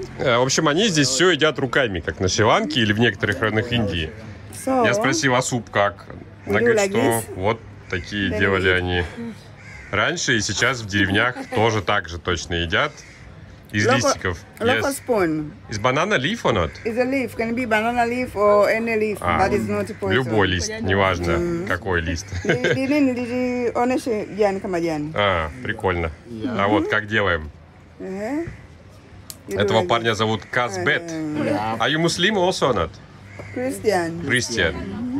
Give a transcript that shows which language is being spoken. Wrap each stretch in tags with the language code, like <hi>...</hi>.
<ru>В общем, они здесь все едят руками, как на Шри-Ланке или в некоторых районах Индии. Я спросил, а суп как? Она говорит, что вот такие делали они раньше, и сейчас в деревнях тоже так же точно едят. Из листиков.</ru> <en>Local spoon.</en> <ru>Из банана</ru> <en>leaf or not? It's a leaf. Can it be banana leaf or any leaf, but it's not a poison.</en> <ru>Любой лист, неважно, какой лист. прикольно. А вот как делаем? Этого парня зовут Казбет.</ru> <en>Are you Muslim also or not? Christian.</en>